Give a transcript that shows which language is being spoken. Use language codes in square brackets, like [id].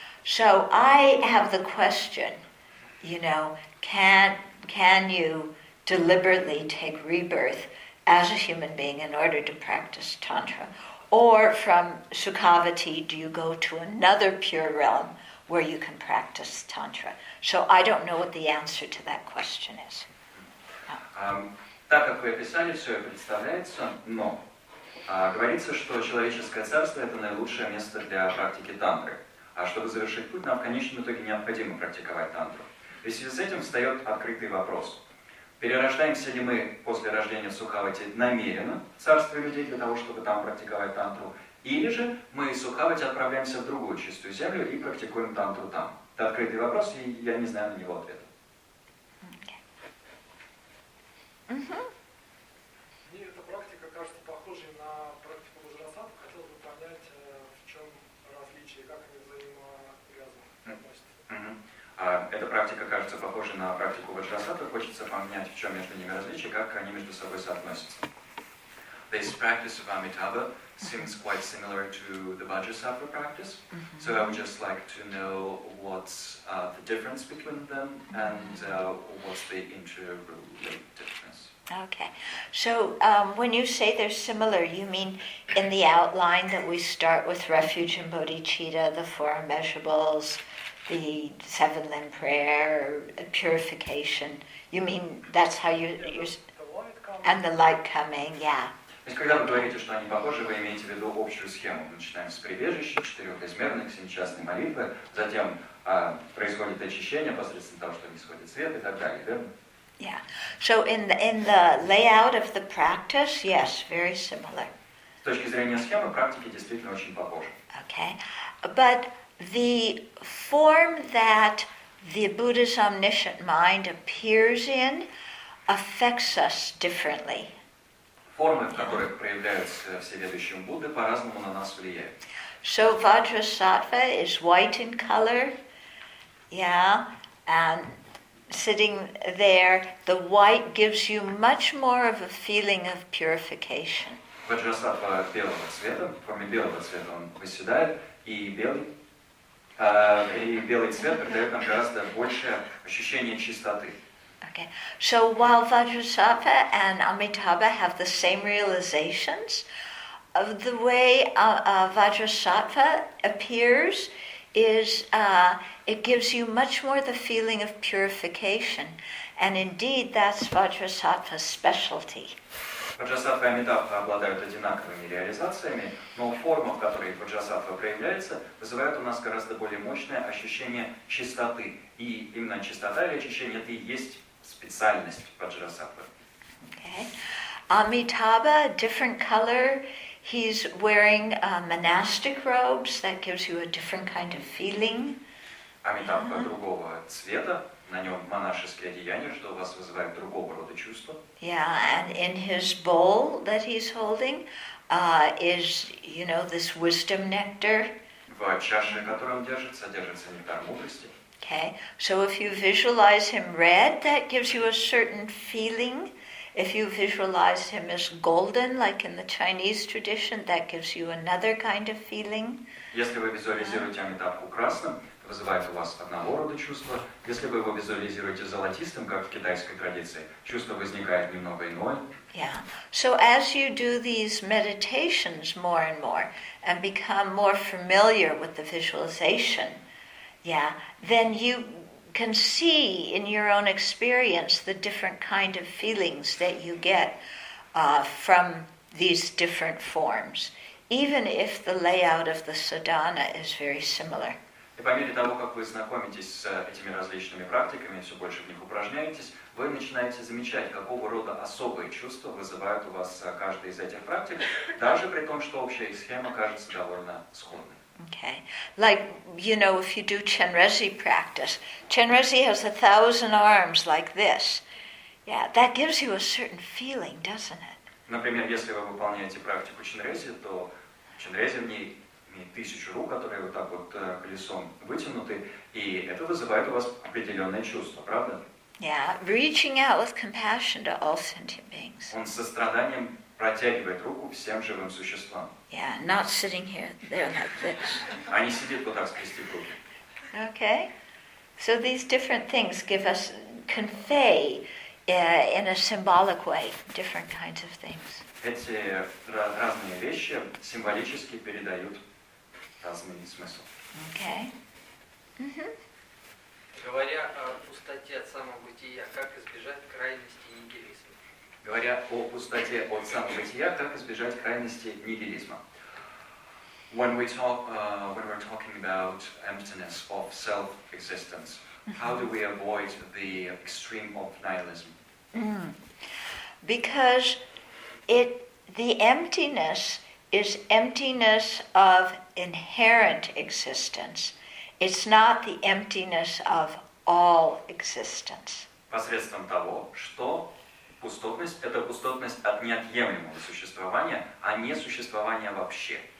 [en] So I have the question, you know, can you deliberately take rebirth as a human being in order to practice Tantra? Or from Sukhavati, do you go to another pure realm where you can practice Tantra? So I don't know what the answer to that question is. [ru] Так как вы описали, все представляется, но говорится, что человеческое царство – это наилучшее место для практики Тантры. А чтобы завершить путь, нам в конечном итоге необходимо практиковать Тантру. В связи с этим встает открытый вопрос. Перерождаемся ли мы после рождения в Сукхавати намеренно в царстве людей для того, чтобы там практиковать тантру? Или же мы из Сукхавати отправляемся в другую чистую землю и практикуем тантру там? Это открытый вопрос, и я не знаю на него ответа. Мне эта практика кажется похожей на практику Ваджрасатвы. Хотелось бы понять, в чем различие, как они взаимосвязаны. Эта практика кажется похожей на практику ваджрасаты, хочется понять, в чем между ними различие, как они между собой соотносятся. [en] This practice of Amitabha seems quite similar to the Vajrasattva practice. Mm-hmm. So I would just like to know what's the difference between them and what's the interrelatedness. Okay. So when you say they're similar, you mean in the outline that we start with refuge and bodhicitta, the four immeasurables, the seven limb prayer, purification. You mean that's how you're and the light coming, yeah. [ru] То есть, когда вы говорите, что они похожи, вы имеете в виду общую схему. Мы начинаем с прибежища, четырех измерных, семичастной молитвы, затем происходит очищение посредством того, что исходит свет и так далее, верно? [en] Yeah. So in the layout of the practice, yes, very similar. [ru] С точки зрения схемы, практики действительно очень похожи. [en] Okay. But the form that the Buddha's omniscient mind appears in affects us differently. [ru] Формы, в которых проявляются всеведущие Будды, по-разному на нас влияют. [en] So Vajrasattva is white in color, yeah, and sitting there, the white gives you much more of a feeling of purification. [ru] Vajrasattva белого цвета, в форме белого цвета он восседает, и белый цвет придает нам гораздо большее ощущение чистоты. [en] Okay. So while Vajrasattva and Amitabha have the same realizations, of the way Vajrasattva appears is it gives you much more the feeling of purification. And indeed, that's Vajrasattva's specialty. [ru] Vajrasattva and Amitabha обладают одинаковыми реализациями, но форма, в которой Vajrasattva проявляется, вызывает у нас гораздо более мощное ощущение чистоты. И именно чистота или очищение это и есть [en] Okay. Amitabha, different color. He's wearing monastic robes. That gives you a different kind of feeling. [ru] Amitabha другого цвета. На нем монашеские одеяния, что у вас вызывает другого рода чувства. [en] Yeah, and in his bowl that he's holding is, you know, this wisdom nectar. [ru] В чаше, которую он держит, содержится нектар мудрости. [en] Okay, so if you visualize him red, that gives you a certain feeling. If you visualize him as golden, like in the Chinese tradition, that gives you another kind of feeling. [ru] Если вы визуализируете Амитабху красным, вызывает у вас одного рода чувства. Если вы его визуализируете золотистым, как в китайской традиции, чувство возникает немного иное. [en] Yeah. So as you do these meditations more and more, and become more familiar with the visualization. Yeah, then you can see in your own experience the different kind of feelings that you get from these different forms, even if the layout of the sadhana is very similar. [ru] И по мере того, как вы знакомитесь с этими различными практиками, все больше в них упражняетесь, вы начинаете замечать, какого рода особые чувства вызывают у вас каждый из этих практик, даже при том, что общая схема кажется довольно сходной. [en] Okay, like, you know, if you do Chenrezig practice, Chenrezig has 1,000 arms like this. Yeah, that gives you a certain feeling, doesn't it? [ru] Например, если вы выполняете практику Chenrezig, то Chenrezig в ней имеет 1000 рук, которые вот так вот колесом вытянуты, и это вызывает у вас определенное чувство, правда? [en] Yeah, reaching out with compassion to all sentient beings. [ru] Он со страданием протягивает руку всем живым существам. [en] Yeah, not sitting here, there like this. Они сидят вот так, скрестив руки. Okay. So these different things give us, convey in a symbolic way different kinds of things. [ru] Эти разные вещи символически передают разный смысл. [en] Okay. [ru] Говоря о пустоте от самобытия, как избежать крайности нигилизма? Говоря о пустоте от самобытия, как избежать крайности нигилизма? [en] When we talk, when we're talking about emptiness of self-existence, how do we avoid the extreme of nihilism? Mm. Because the emptiness is emptiness of inherent existence. It's not the emptiness of all existence. [ru] Посредством того, что пустотность — это пустотность от неотъемлемого существования, а не существования вообще.